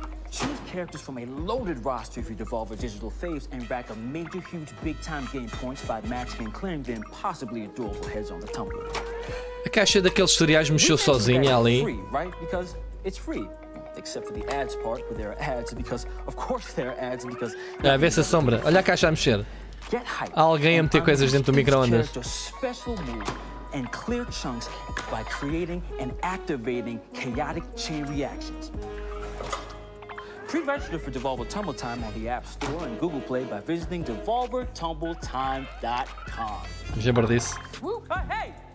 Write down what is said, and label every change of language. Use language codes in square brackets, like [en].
[en] Choose characters from a loaded roster of your Devolver Digital faves and rack up major huge big-time game points by matching and clearing them possibly a durable heads on the tumble. [pt] A caixa daqueles cereais mexeu sozinha ali. [en] Free, right? Because it's free. Except for the ads part, where there are ads, because of course there are ads, because... [pt] Ah, vê essa sombra. Olha a caixa a mexer. Há alguém a meter coisas dentro do micro-ondas. [en] And clear chunks by creating and activating chaotic chain reactions. Pre-register for Devolver Tumble Time on the App Store and Google Play by visiting devolvertumbletime.com. Jabber this. Swoop. Hey.